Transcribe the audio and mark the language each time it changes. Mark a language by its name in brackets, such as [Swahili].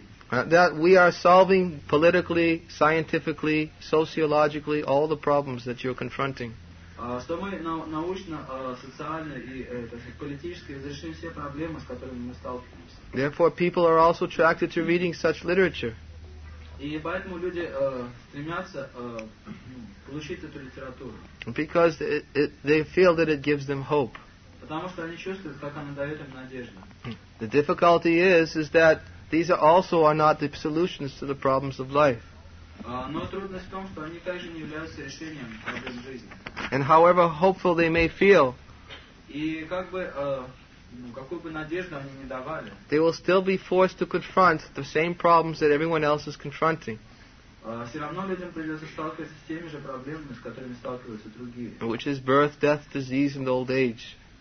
[English] That we are solving politically, scientifically, sociologically all the problems that you're confronting. [Russian] Что мы научно, социально и политически разрешим все проблемы, с которыми мы сталкиваемся. [English] Therefore, people are also attracted to reading such literature. [Russian] И поэтому люди стремятся получить эту литературу. [English] Because they feel that it gives them hope. [Russian] Потому что они чувствуют, как она дает им надежду. [English] The difficulty is that these also are not the solutions to the problems of life. [Russian] Но трудность в том, что они также не являются решением проблем жизни. [English] And however hopeful they may feel, they will still be forced to confront the same problems that everyone else is confronting, which is birth, death, disease, and old age.